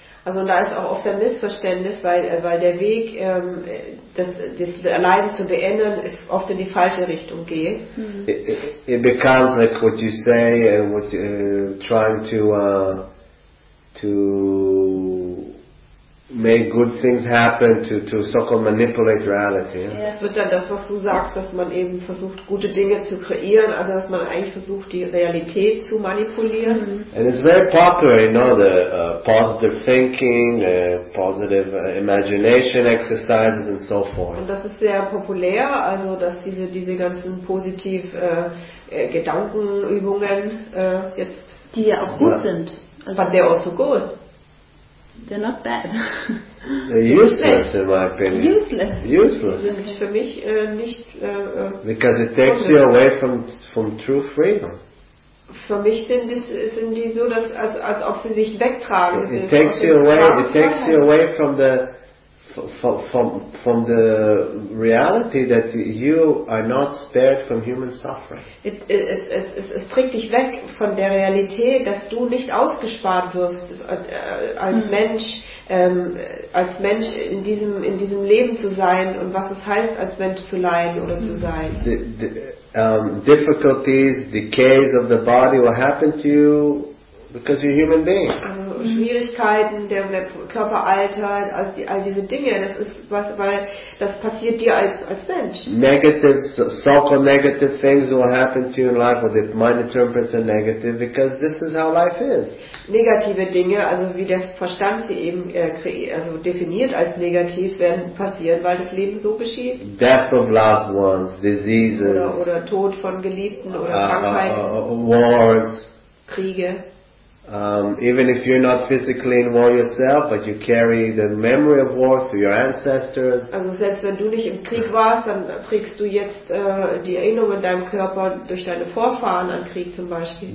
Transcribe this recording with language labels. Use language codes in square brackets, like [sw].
[de] Also und da ist auch oft ein Missverständnis, weil der Weg, das Leiden zu beenden, oft in die falsche Richtung geht. Mm-hmm. [en] It becomes like what you say, what you, trying to make good things happen, to so-called manipulate reality. Yeah. [de] Es wird dann das, was du sagst, dass man eben versucht, gute Dinge zu kreieren, also dass man eigentlich versucht, die Realität zu manipulieren. [en] And it's very popular, you know, the positive thinking, positive imagination exercises and so forth. [de] Und das ist sehr populär, also dass diese ganzen positiv Gedankenübungen jetzt... Die ja auch gut sind. [en] Also but they're also good. They're not bad. They're useless, in my opinion. Useless. [de] Sind für mich nicht. [en] Because it takes you away from true freedom. [de] Für mich sind die so, dass als ob sie sich wegtragen. [en] It takes you away. It takes you away from the from the reality that you are not spared from human suffering. [de] Es trägt dich weg von der Realität, dass du nicht ausgespart wirst als Mensch, als Mensch in diesem Leben zu sein und was es heißt, als Mensch zu leiden oder zu sein. [en] The difficulties, decays of the body will happen to you because you're a human being. [de] Schwierigkeiten, der Körperalter, all diese Dinge, das ist was, weil das passiert dir als Mensch. [en] Negative, so-called negative things will happen to you in life, or the mind interprets as negative, because this is how life is. [de] Negative Dinge, also wie der Verstand sie eben also definiert als negativ, werden passieren, weil das Leben so geschieht. [en] Death of loved ones, diseases. [de] Oder Tod von Geliebten oder Krankheiten. [en] Wars. [de] Kriege. [en] Even if you're not physically in war yourself, but you carry the memory of war through your ancestors. [de] Also selbst wenn du nicht im Krieg warst, dann trägst du jetzt die Erinnerung in deinem Körper durch deine Vorfahren an Krieg zum Beispiel.